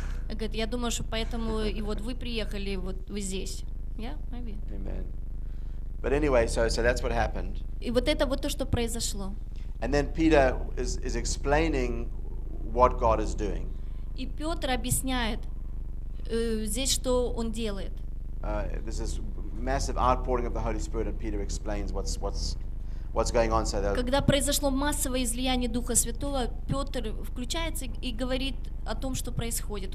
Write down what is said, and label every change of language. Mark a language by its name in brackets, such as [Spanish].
[Russian] Говорит, я думаю, что поэтому и вот вы приехали, вот вы здесь. [English] Yeah, maybe. Amen. But anyway, so that's what happened. [Russian] И вот это вот то, что произошло. [English] And then Peter is explaining what God is doing. [Russian] И Петр объясняет здесь, что он делает. [English] This is massive outpouring of the Holy Spirit, and Peter explains what's going on. So [Russian] когда произошло массовое излияние Духа Святого, Петр включается и говорит о том, что происходит.